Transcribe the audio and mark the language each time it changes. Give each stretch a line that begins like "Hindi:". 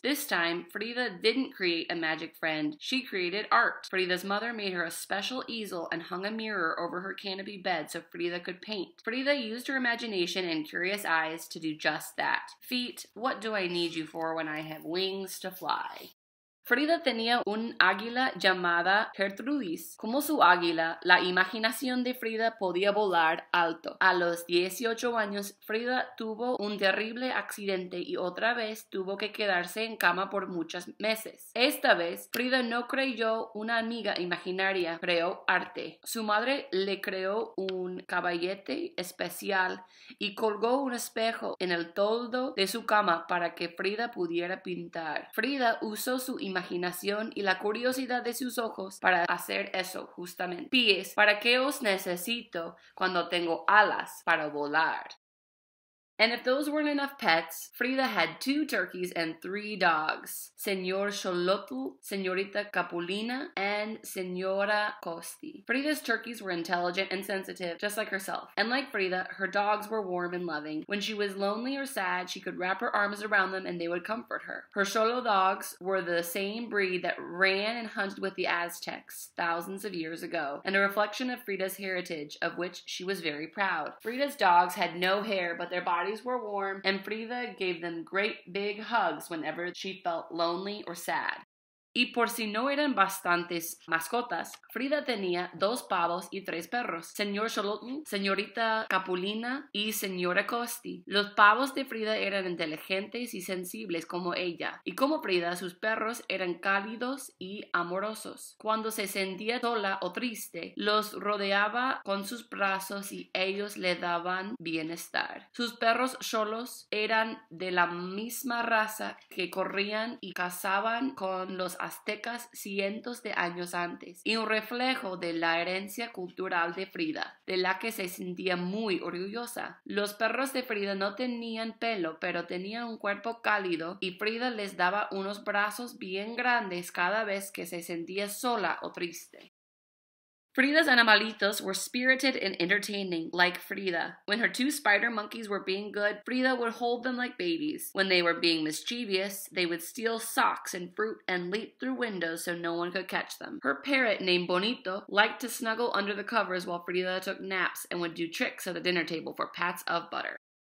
English: This time, Frida didn't create a magic friend, she created art. Frida's mother made her a special easel and hung a mirror over her canopy bed so Frida could paint. Frida used her imagination and curious eyes to do just that. Feet, what do I need you for when I have wings to fly?
Spanish: Frida tenía un águila llamada Gertrudis. Como su águila, la imaginación de Frida podía volar alto. A los 18 años, Frida tuvo un terrible accidente y otra vez tuvo que quedarse en cama por muchos meses. Esta vez, Frida no creyó una amiga imaginaria, creó arte. Su madre le creó un caballete especial y colgó un espejo en el toldo de su cama para que Frida pudiera pintar. Frida usó su imaginación y la curiosidad de sus ojos para hacer eso justamente. Pies, ¿para qué os necesito cuando tengo alas para volar?
English: And if those weren't enough pets, Frida had 2 turkeys and 3 dogs. Señor Xolotl, Señorita Capulina, and Señora Costi. Frida's turkeys were intelligent and sensitive, just like herself. And like Frida, her dogs were warm and loving. When she was lonely or sad, she could wrap her arms around them and they would comfort her. Her Xolo dogs were the same breed that ran and hunted with the Aztecs thousands of years ago, and a reflection of Frida's heritage, of which she was very proud. Frida's dogs had no hair, but their bodies were warm, and Frida gave them great big hugs whenever she felt lonely or sad.
Spanish: Y por si no eran bastantes mascotas, Frida tenía 2 pavos y 3 perros, Señor Xolotl, Señorita Capulina y Señora Costi. Los pavos de Frida eran inteligentes y sensibles como ella, y como Frida, sus perros eran cálidos y amorosos. Cuando se sentía sola o triste, los rodeaba con sus brazos y ellos le daban bienestar. Sus perros Xolos eran de la misma raza que corrían y cazaban con los aztecas cientos de años antes, y un reflejo de la herencia cultural de Frida, de la que se sentía muy orgullosa. Los perros de Frida no tenían pelo, pero tenían un cuerpo cálido, y Frida les daba unos brazos bien grandes cada vez que se sentía sola o triste.
English: Frida's animalitos were spirited and entertaining, like Frida. When her 2 spider monkeys were being good, Frida would hold them like babies. When they were being mischievous, they would steal socks and fruit and leap through windows so no one could catch them. Her parrot, named Bonito, liked to snuggle under the covers while Frida took naps and would do tricks at the dinner table for pats of butter.